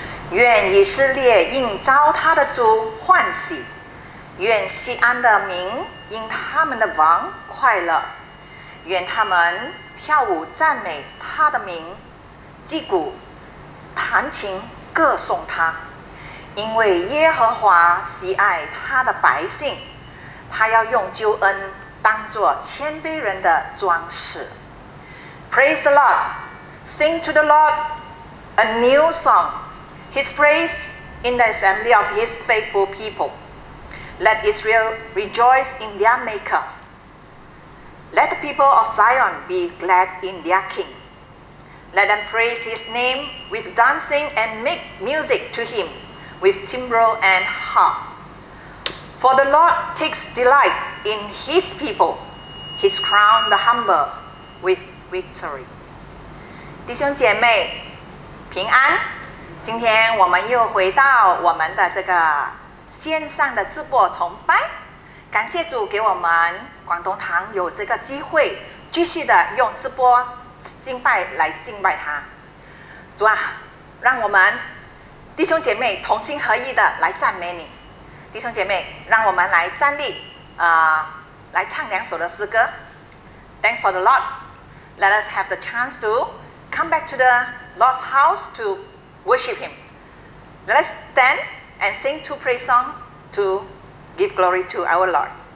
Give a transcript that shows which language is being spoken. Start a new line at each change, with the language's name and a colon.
Chinese: 愿以色列应召他的主欢喜，愿锡安的民因他们的王快乐，愿他们跳舞赞美他的名，击鼓弹琴歌颂他，因为耶和华喜爱他的百姓，他要用救恩当作谦卑人的装饰。
English: Praise the Lord, sing to the Lord a new song, His praise in the assembly of His faithful people. Let Israel rejoice in their Maker. Let the people of Zion be glad in their King. Let them praise His name with dancing and make music to Him with timbrel and harp. For the Lord takes delight in His people. He's crowned the humble with victory.
Chinese: 弟兄姐妹，平安。今天我们又回到我们的这个线上的直播崇拜，感谢主给我们广东堂有这个机会继续的用直播敬拜来敬拜他。主啊，让我们弟兄姐妹同心合意的来赞美你。弟兄姐妹，让我们来站立，来唱两首的诗歌。
English: Thanks for the Lord. Let us have the chance to come back to the Lord's house to worship Him. Let us stand and sing two praise songs to give glory to our Lord.